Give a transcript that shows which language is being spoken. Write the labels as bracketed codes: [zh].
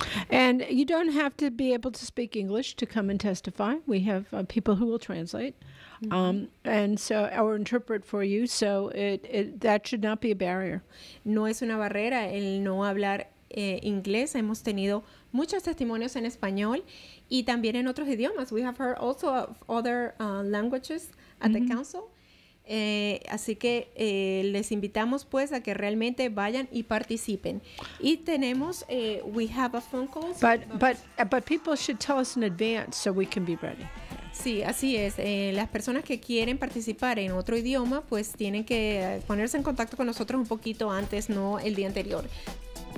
[en] And you don't have to be able to speak English to come and testify. We have people who will translate mm-hmm. and so or interpret for you. So it that should not be a barrier. [es] No es una barrera el no hablar inglés. Hemos tenido muchos testimonios en español y también en otros idiomas. [en] We have heard also of other languages at mm-hmm. the council. [es] Así que les invitamos pues a que realmente vayan y participen. Y tenemos, [en] we have a phone call. But people should tell us in advance so we can be ready. [es] Sí, así es. Las personas que quieren participar en otro idioma pues tienen que ponerse en contacto con nosotros un poquito antes, no el día anterior.